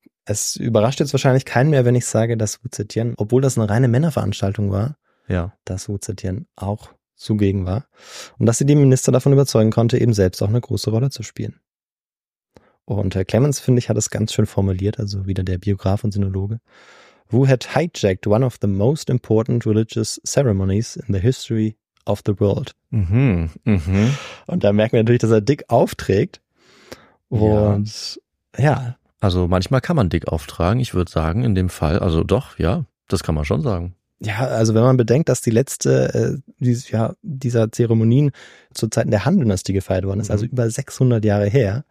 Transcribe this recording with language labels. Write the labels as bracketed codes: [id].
[de] Es überrascht jetzt wahrscheinlich keinen mehr, wenn ich sage, dass WZTN, obwohl das eine reine Männerveranstaltung war, ja, dass WZTN auch zugegen war und dass sie den Minister davon überzeugen konnte, eben selbst auch eine große Rolle zu spielen. Und Herr Clemens, finde ich, hat es ganz schön formuliert, also wieder der Biograf und Sinologe. [en] Wu had hijacked one of the most important religious ceremonies in the history of the world. Mhm, mhm. [de] Und da merken wir natürlich, dass er dick aufträgt. Und ja. Also manchmal kann man dick auftragen. Ich würde sagen, in dem Fall, also doch, ja, das kann man schon sagen. Ja, also wenn man bedenkt, dass die letzte dieser Zeremonien zu Zeiten der Han-Dynastie gefeiert worden ist, also über 600 Jahre her.